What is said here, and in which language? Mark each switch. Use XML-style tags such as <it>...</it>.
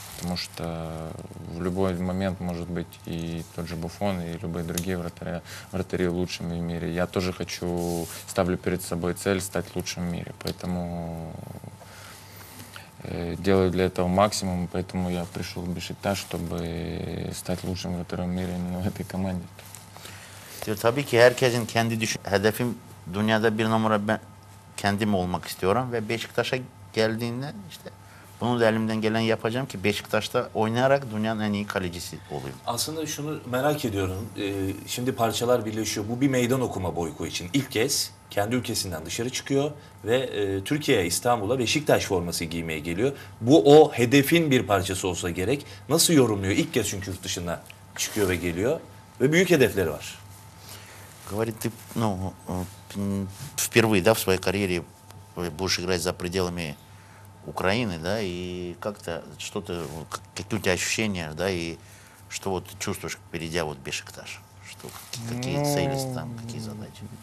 <ru>Потому что в любой момент может быть и тот же Буффон, и любые другие вратари лучшими в мире. Я тоже хочу, ставлю перед собой цель стать лучшим в мире. Поэтому делаю для этого максимум. Поэтому я пришел в Бешикташ, чтобы стать лучшим вратарем в мире именно в этой команде.</ru> <tr>Tabii ki herkesin kendi hedefim dünyada bir numara ben kendim olmak istiyorum ve Beşiktaş'a geldiğinde işte bunu da elimden gelen yapacağım ki Beşiktaş'ta oynayarak dünyanın en iyi kalecisi olayım. Aslında şunu merak ediyorum. Şimdi parçalar birleşiyor. Bu bir meydan okuma Boyko için. İlk kez kendi ülkesinden dışarı çıkıyor ve Türkiye'ye, İstanbul'a Beşiktaş forması giymeye geliyor. Bu o hedefin bir parçası olsa gerek. Nasıl yorumluyor? İlk kez çünkü yurt dışına çıkıyor ve geliyor ve büyük hedefleri var.</tr> <ru>Говорит, ты, ну, впервые, да, в своей карьере будешь играть за пределами Украины, да, и как-то что-то, какие у тебя ощущения, да, и что вот чувствуешь, перейдя вот Бешикташ, что какие цели там, какие задачи?</ru>